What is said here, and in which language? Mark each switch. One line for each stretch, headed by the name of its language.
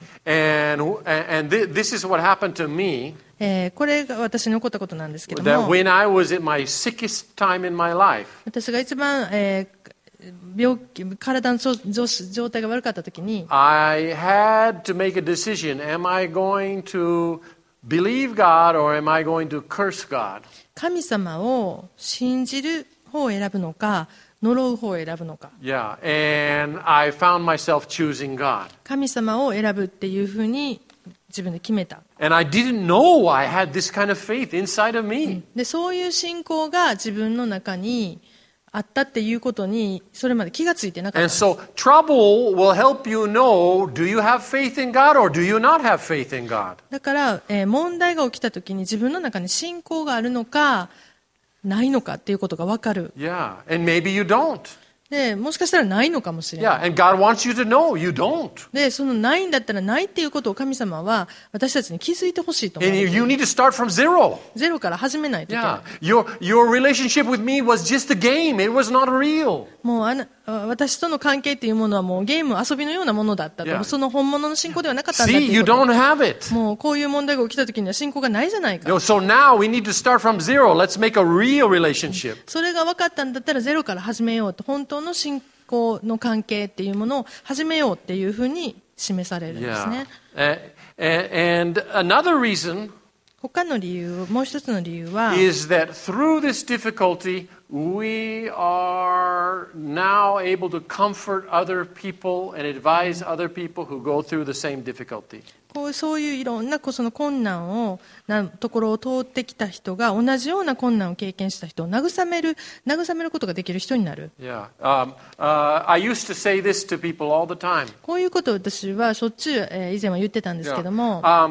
English: And this is what happened to me.
Japanese: これが私に起こったことなんですけども、
English: that when I was at my sickest time in my life,
Japanese: 私が一番、病気、体の状態が悪かった時に、
English: I had to make a decision. Am I going to believe God or am I going to curse God?
Japanese: 神様を信じる方を選ぶのか、呪う方を選ぶのか。
English: Yeah, and I found myself choosing God.
Japanese: 神様を選ぶっていうふうに自分で決めた。
English: And I didn't know I had this kind of faith inside of me.
Japanese: で、そういう信仰が自分の中にあったっていうことにそれまで気がついてなかったんです。
English: And so trouble will help you know, do you have faith in God or do you not have faith in God?
Japanese: だから、問題が起きたときに自分の中に信仰があるのかないのかっていうことがわかる。
English: Yeah, and maybe you don't.
Japanese: で、もしかしたらないのかもしれない。
English: Yeah, and God wants you to know you don't.
Japanese: で、そのないんだったらないっていうことを神様は私たちに気づいてほしいと思う。
English: And you need to start from zero.
Japanese: ゼロから始めないといけない。
English: Yeah, your relationship with me was just a game. It was not real.
Japanese: もう私との関係っていうものはもうゲーム、遊びのようなものだったと。Yeah. その本物の信仰ではなかったんだっていうこと。
English: See, you don't have it.
Japanese: もうこういう問題が起きた時には信仰がないじゃないか。
English: No, so now we need to start from zero. Let's make a real relationship.
Japanese: それが分かったんだったらゼロから始めようと。本当の信仰の関係っていうものを始めようっていうふうに示されるんですね。
English: Yeah. And another reason,
Japanese: 他の理由、もう一つの理由は、
English: is that through this difficulty,We are now able to comfort other people and advise other people who go through the same difficulty.
Japanese: こうそういういろんなその困難をなところを通ってきた人が同じような困難を経験した人を慰めることができる人になる。
English: Yeah. I used to say this to people all the time.
Japanese: こういうことを私はしょっちゅう、以前は言ってたんですけども。